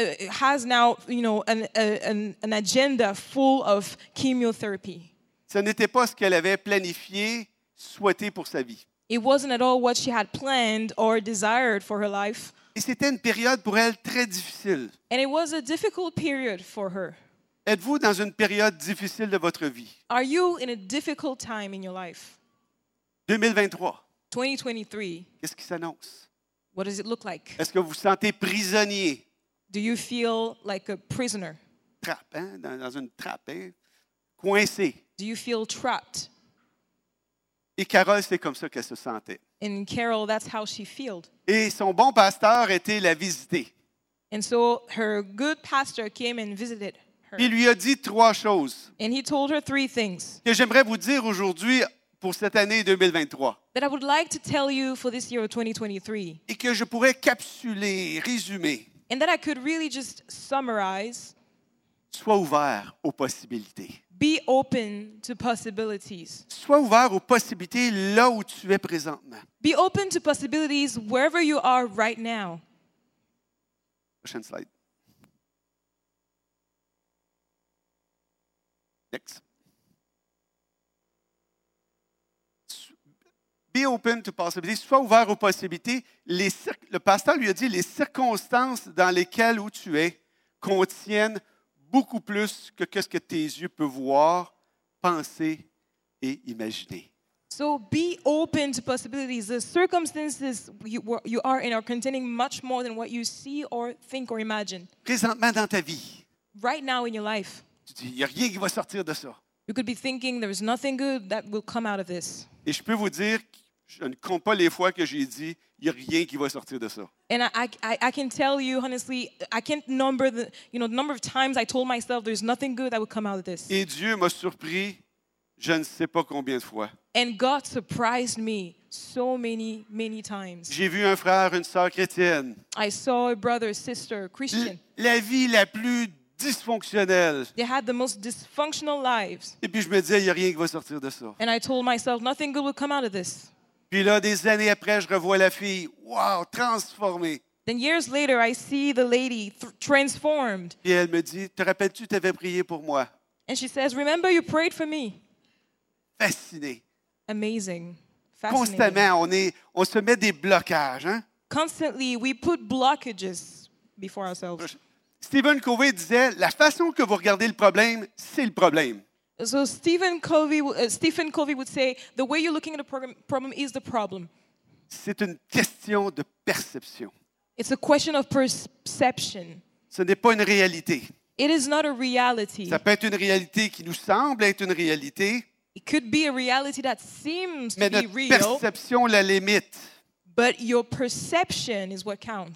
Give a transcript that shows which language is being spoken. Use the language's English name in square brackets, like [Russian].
[English] Has now, you know, an agenda full of chemotherapy. [French] Ce n'était pas ce qu'elle avait planifié, souhaité pour sa vie. [English] It wasn't at all what she had planned or desired for her life. [French] Et c'était une période pour elle très difficile. [English] And it was a difficult period for her. [French] Êtes-vous dans une période difficile de votre vie? [English] Are you in a difficult time in your life? [French] 2023. [English] 2023. [French] Qu'est-ce qui s'annonce? [English] What does it look like? [French] Est-ce que vous sentez prisonnier? [English] Do you feel like a prisoner? [French] Trappe, hein? Dans une trappe, hein? Coincé. [English] Do you feel trapped? [French] Et Carole, c'est comme ça qu'elle se sentait. [English] And Carol, that's how she felt. [French] Et son bon pasteur était la visiter. [English] And so her good pastor came and visited her. [French] Il lui a dit trois choses. [English] And he told her three things. [French] Que j'aimerais vous dire aujourd'hui pour cette année 2023. [English] That I would like to tell you for this year of 2023. [French] Et que je pourrais capsuler, résumer. [English] And that I could really just summarize. [French] Sois ouvert aux possibilités. [English] Be open to possibilities. [French] Sois ouvert aux possibilités là où tu es présentement. [English] Be open to possibilities wherever you are right now. [French] Prochaine slide. [English] Next. Be open to possibilities. [French] Sois ouvert aux possibilités. Le pasteur lui a dit, les circonstances dans lesquelles où tu es contiennent beaucoup plus que ce que tes yeux peuvent voir, penser et imaginer. [English] So be open to possibilities. The circumstances you are in are containing much more than what you see or think or imagine. [French] Présentement dans ta vie. [English] Right now in your life. [French] Tu dis, il n'y a rien qui va sortir de ça. [English] You could be thinking there is nothing good that will come out of this. [French] Et je peux vous dire, je ne compte pas les fois que j'ai dit, il y a rien qui va sortir de ça. [English] And I can tell you honestly, I can't number the number of times I told myself there's nothing good that would come out of this. [French] Et Dieu m'a surpris, je ne sais pas combien de fois. [English] And God surprised me so many, many times. [French] J'ai vu un frère, une sœur chrétienne. [English] I saw a brother, sister, Christian. [French] La vie la plus dysfonctionnelle. [English] They had the most dysfunctional lives. [French] Et puis je me disais, il y a rien qui va sortir de ça. [English] And I told myself nothing good would come out of this. [French] Puis là, des années après, je revois la fille. Wow, transformée. [English] Then years later, I see the lady transformed. [French] Et elle me dit, te rappelles-tu, tu avais prié pour moi? [English] And she says, remember you prayed for me. [French] Fascinée. [English] Amazing. Fascinating. [French] Constamment, on se met des blocages, hein? [English] Constantly, we put blockages before ourselves. [French] Stephen Covey disait, la façon que vous regardez le problème, c'est le problème. [English] So Stephen Covey would say, the way you're looking at a problem is the problem. [French] C'est une question de perception. [English] It's a question of perception. [French] Ce n'est pas une réalité. [English] It is not a reality. [French] Ça peut être une réalité qui nous semble être une réalité. [English] It could be a reality that seems to be real. [French] Mais notre perception la limite. [English] But your perception is what counts.